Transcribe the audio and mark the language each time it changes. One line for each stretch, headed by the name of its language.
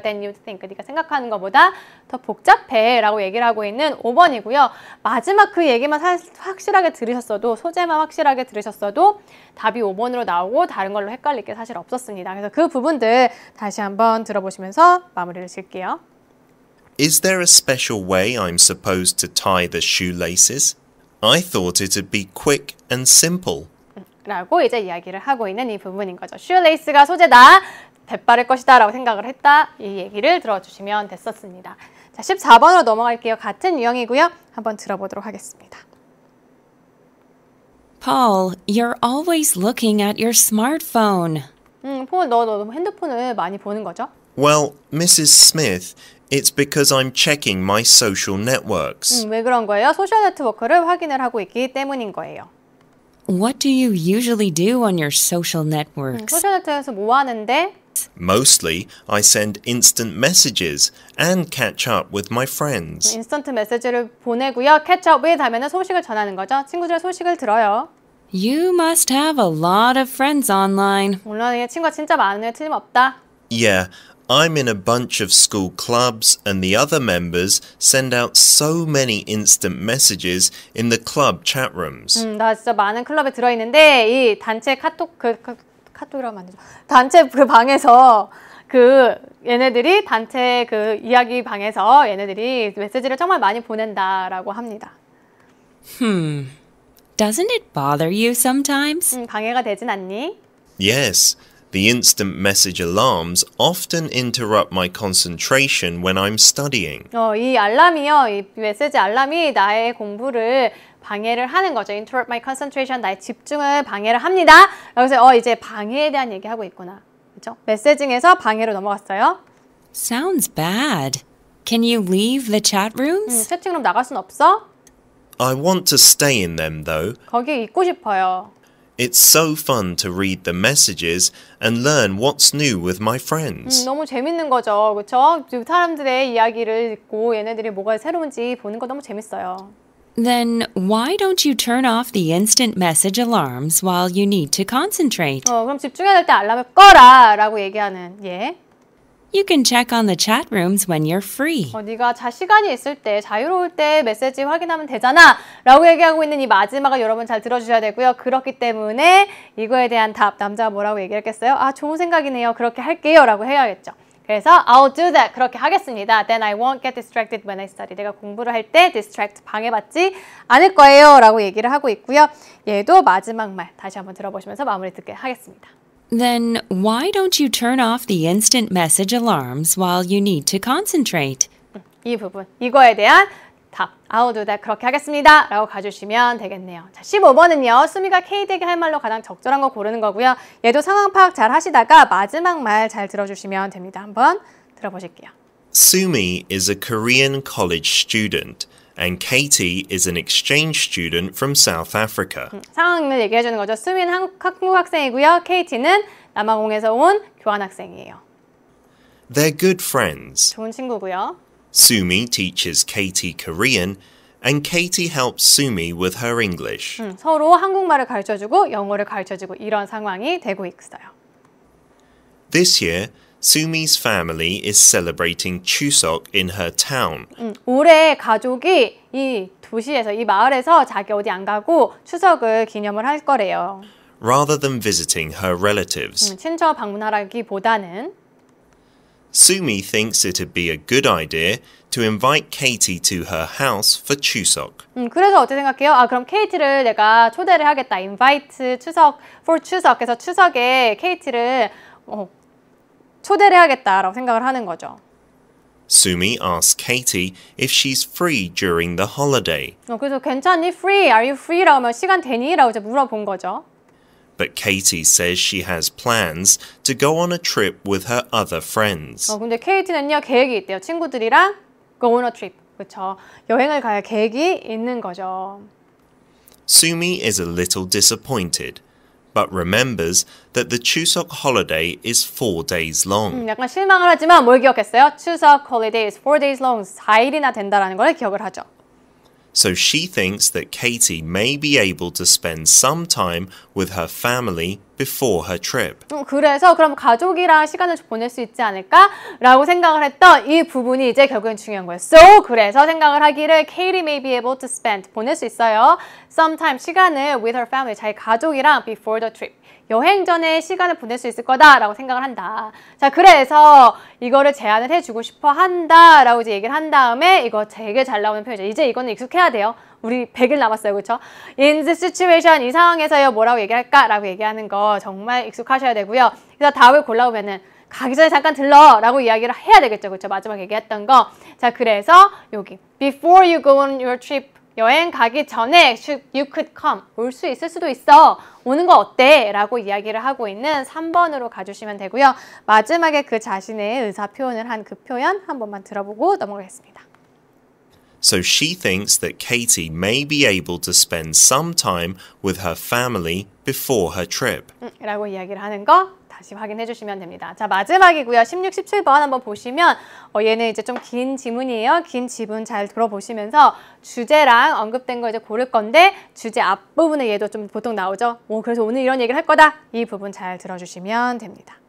English: Than you think,
Korean: 그러니까 생각하는 것보다 더 복잡해 라고 얘기를 하고 있는 5번이고요. 마지막 그 얘기만 확실하게 들으셨어도, 소재만 확실하게 들으셨어도 답이 5번으로 나오고 다른 걸로 헷갈릴 게 사실 없었습니다. 그래서 그 부분들 다시 한번 들어보시면서 마무리를 칠게요.
English: Is there a special way I'm supposed to tie the shoelaces? I thought it'd be quick and simple.
Korean: 라고 이제 이야기를 하고 있는 이 부분인 거죠. Shoelace가 소재다, 배빠를 것이다 라고 생각을 했다. 이 얘기를 들어주시면 됐었습니다. 자, 14번으로 넘어갈게요. 같은 유형이고요. 한번 들어보도록 하겠습니다.
English: Paul, you're always looking at your smartphone.
Korean: 폰, 너 핸드폰을 많이 보는 거죠?
English: Well, Mrs. Smith, it's because I'm checking my social networks.
Korean: 왜 그런 거예요? 소셜 네트워크를 확인을 하고 있기 때문인 거예요.
English: What do you usually do on your social networks?
Korean: 소셜 네트워크에서 뭐 하는데?
English: Mostly, I send instant messages and catch up with my friends.
Korean: 인스턴트 메시지를 보내고요.
English: Catch up with
Korean: 하면은 소식을 전하는 거죠. 친구들의 소식을 들어요.
English: You must have a lot of friends online.
Korean: 온라인에 친구가 진짜 많은 게 틀림없다.
English: Yeah, I'm in a bunch of school clubs and the other members send out so many instant messages in the club chat rooms.
Korean: 나 진짜 많은 클럽에 들어 있는데 이 단체 카톡 카톡이라고 하면 안 되죠. 단체 그 방에서 그 얘네들이 단체 그 이야기 방에서 얘네들이 메시지를 정말 많이 보낸다라고 합니다.
English: Doesn't it bother you sometimes?
Korean: 방해가 되진 않니?
English: Yes. The instant message alarms often interrupt my concentration when I'm studying.
Korean: 이 알람이요. 이 메시지 알람이 나의 공부를 방해를 하는 거죠.
English: Interrupt my concentration.
Korean: 나의 집중을 방해를 합니다. 여기서 이제 방해에 대한 얘기하고 있구나. 그렇죠? 메시징에서 방해로 넘어갔어요.
English: Sounds bad. Can you leave the chat rooms?
Korean: 채팅룸 나갈 순 없어?
English: I want to stay in them though.
Korean: 거기 있고 싶어요.
English: It's so fun to read the messages and learn what's new with my friends.
Korean: 너무 재밌는 거죠, 그렇죠? 사람들의 이야기를 읽고 얘네들이 뭐가 새로운지 보는 거 너무 재밌어요.
English: Then why don't you turn off the instant message alarms while you need to concentrate?
Korean: 그럼 집중해야 될 때 알람을 꺼라라고 얘기하는 예.
English: You can check on the chat rooms when you're free.
Korean: 네가 시간이 있을 때, 자유로울 때 메시지 확인하면 되잖아 라고 얘기하고 있는 이 마지막을 여러분 잘 들어주셔야 되고요. 그렇기 때문에 이거에 대한 답, 남자가 뭐라고 얘기했겠어요? 아, 좋은 생각이네요. 그렇게 할게요 라고 해야겠죠. 그래서
English: I'll do that.
Korean: 그렇게 하겠습니다.
English: Then I won't get distracted when I study.
Korean: 내가 공부를 할 때 distract, 방해받지 않을 거예요 라고 얘기를 하고 있고요. 얘도 마지막 말 다시 한번 들어보시면서 마무리 듣게 하겠습니다.
English: Then why don't you turn off the instant message alarms while you need to concentrate?
Korean: 이 부분, 이거에 대한 답.
English: I'll do that.
Korean: 그렇게 하겠습니다. 라고 가주시면 되겠네요. 자, 15번은요. 수미가 K되게 할 말로 가장 적절한 거 고르는 거고요. 얘도 상황 파악 잘 하시다가 마지막 말 잘 들어주시면 됩니다. 한번 들어보실게요.
English: Sumi is a Korean college student. And Katie is an exchange student from South Africa.
Korean: 상황을 얘기해 주는 거죠. 수민 한국 학생이고요. Katie는 남아공에서 온 교환학생이에요.
English: They're good friends.
Korean: 좋은 친구고요.
English: Sumi teaches Katie Korean, and Katie helps Sumi with her English.
Korean: 서로 한국말을 가르쳐 주고 영어를 가르쳐 주고 이런 상황이 되고 있어요.
English: This year, Sumi's family is celebrating Chuseok in her town.
Korean: 올해 가족이 이 도시에서 이 마을에서 자기 어디 안 가고 추석을 기념을 할 거래요.
English: Rather than visiting her relatives.
Korean: 친척 방문하기보다는
English: Sumi thinks it'd be a good idea to invite Katie to her house for Chuseok.
Korean: 그래서 어떻게 생각해요? 아, 그럼 케이티를 내가 초대를 하겠다.
English: Invite 추석 for 추석.
Korean: 그래서 추석에 케이티를 초대를 해야겠다라고 생각을 하는 거죠.
English: Sumi asks Katie if she's free during the holiday.
Korean: 그래서 괜찮니?
English: Free? Are you free?
Korean: 라고 하면 시간 되니? 라고 이제 물어본 거죠.
English: But Katie says she has plans to go on a trip with her other friends.
Korean: 근데 케이티는요 계획이 있대요. 친구들이랑
English: go on a trip.
Korean: 그렇죠. 여행을 갈 계획이 있는 거죠.
English: Sumi is a little disappointed. But remembers that the Chuseok holiday is 4 days long.
Korean: 약간 실망을 하지만 뭘 기억했어요?
English: Chuseok holiday is 4 days long.
Korean: 4일이나 된다라는 걸 기억을 하죠.
English: So she thinks that Katie may be able to spend some time with her family before her trip.
Korean: 그래서 그럼 가족이랑 시간을 보낼 수 있지 않을까라고 생각을 했던 이 부분이 이제 결국엔 중요한 거예요.
English: So
Korean: 그래서 생각을 하기를
English: Katie may be able to spend
Korean: 보낼 수 있어요.
English: Sometime
Korean: 시간을
English: with her family
Korean: 자기 가족이랑
English: before the trip
Korean: 여행 전에 시간을 보낼 수 있을 거다라고 생각을 한다. 자 그래서 이거를 제안을 해주고 싶어 한다라고 이제 얘기를 한 다음에 이거 되게 잘 나오는 표현이죠. 이제 이거는 익숙해야 돼요. 우리 100일 남았어요. 그렇죠?
English: In this situation,
Korean: 이 상황에서요. 뭐라고 얘기할까? 라고 얘기하는 거 정말 익숙하셔야 되고요. 그래서 답을 골라오면은 가기 전에 잠깐 들러! 라고 이야기를 해야 되겠죠. 그렇죠? 마지막 얘기했던 거. 자, 그래서 여기
English: Before you go on your trip,
Korean: 여행 가기 전에
English: you could come.
Korean: 올 수 있을 수도 있어. 오는 거 어때? 라고 이야기를 하고 있는 3번으로 가주시면 되고요. 마지막에 그 자신의 의사 표현을 한 그 표현 한 번만 들어보고 넘어가겠습니다.
English: So she thinks that Katie may be able to spend some time with her family before her trip.
Korean: 라고 이야기를 하는 거 다시 확인해 주시면 됩니다. 자, 마지막이고요. 16, 17번 한번 보시면 얘는 이제 좀 긴 지문이에요. 긴 지문 잘 들어보시면서 주제랑 언급된 거 이제 고를 건데 주제 앞부분에 얘도 좀 보통 나오죠. 그래서 오늘 이런 얘기를 할 거다. 이 부분 잘 들어주시면 됩니다.